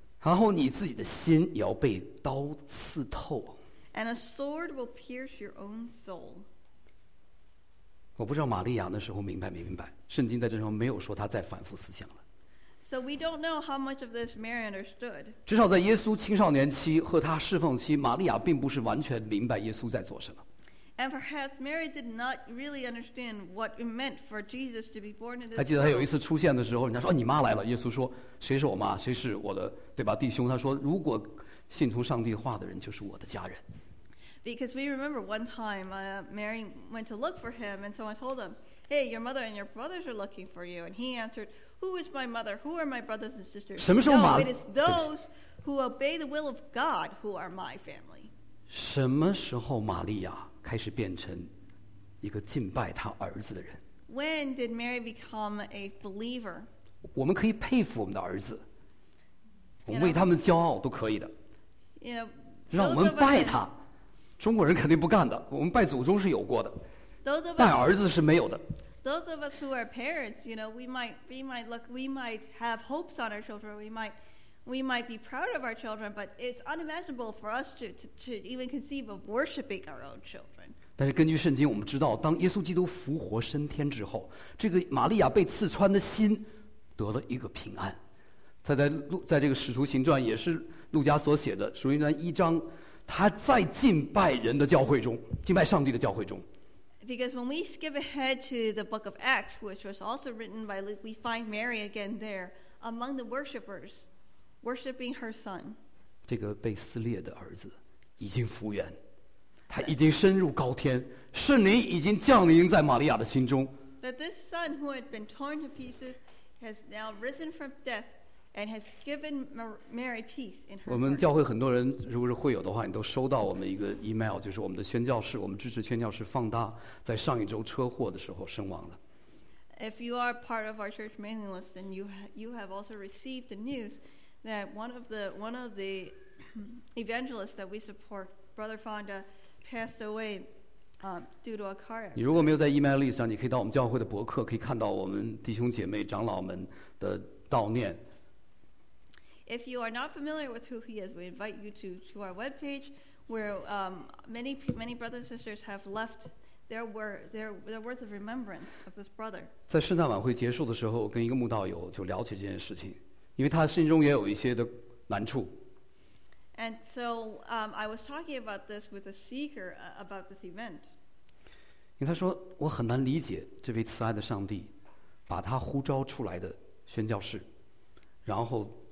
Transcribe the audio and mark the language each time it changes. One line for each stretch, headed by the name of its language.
Chinese: 然后你自己的心也要被刀刺透。
English: And a sword will pierce your own soul.
Chinese: 我不知道玛利亚那时候明白没明白，圣经在这时候没有说她再反复思想了。
English: So we don't know how much of this Mary understood.
Chinese: 至少在耶稣青少年期和他侍奉期，玛利亚并不是完全明白耶稣在做什么。
English: And perhaps Mary did not really understand what it meant for Jesus to be born in this.
Chinese: 还记得他有一次出现的时候，人家说：“哦，你妈来了。”耶稣说：“谁是我妈？谁是我的，对吧？弟兄？”他说：“如果信从上帝话的人，就是我的家人。”
English: Because we remember one time Mary went to look for him, and someone told him, hey, your mother and your brothers are looking for you. And he answered, who is my mother? Who are my brothers and sisters?
Chinese: 什么时候吗?
English: No, it is those who obey the will of God who are my family.
Chinese: 什么时候玛利亚开始变成一个敬拜她儿子的人?
English: When did Mary become a believer?
Chinese: 我们可以佩服我们的儿子, 我们为他们骄傲都可以的,
English: you know,
Chinese: 让我们拜他, 中国人肯定不干的, 我们拜祖宗是有过的,
English: those of us,
Chinese: 拜儿子是没有的。
English: Those of us who are parents, you know, we might have hopes on our children, we might be proud of our children, but it's unimaginable for us to even conceive of worshiping our own children.
Chinese: 但是根据圣经我们知道, 当耶稣基督复活升天之后, 这个玛利亚被刺穿的心, 得了一个平安。在这个使徒行传也是路加所写的, 使徒行传一章, 他在敬拜人的教会中, 敬拜上帝的教会中。
English: Because when we skip ahead to the book of Acts, which was also written by Luke, we find Mary again there among the worshippers, worshiping her son.
Chinese: 这个被撕裂的儿子已经复原, 他已经升入高天, 圣灵已经降临在玛利亚的心中。
English: That this son who had been torn to pieces has now risen from death and has given Mary peace in her heart.
Chinese: 我们教会很多人如果是会有的话, 你都收到我们一个email, 就是我们的宣教士, 我们支持宣教士放大在上一周车祸的时候身亡了。
English: If you are part of our church mailing list, then you have also received the news that one of the evangelists that we support, Brother Fonda, passed away due to a car accident.
Chinese: 你如果没有在email list 上, 你可以到我们教会的博客, 可以看到我们弟兄姐妹长老们的悼念。
English: If you are not familiar with who he is, we invite you to our webpage, where many brothers and sisters have left their words of remembrance of this brother.
Chinese: 在圣诞晚会结束的时候, 跟一个牧道友就聊起这件事情, 因为他心中也有一些的难处。
English: And so I was talking about this with a seeker about this event.
Chinese: 因为他说, 我很难理解这位慈爱的上帝, 把他呼召出来的宣教士, 然后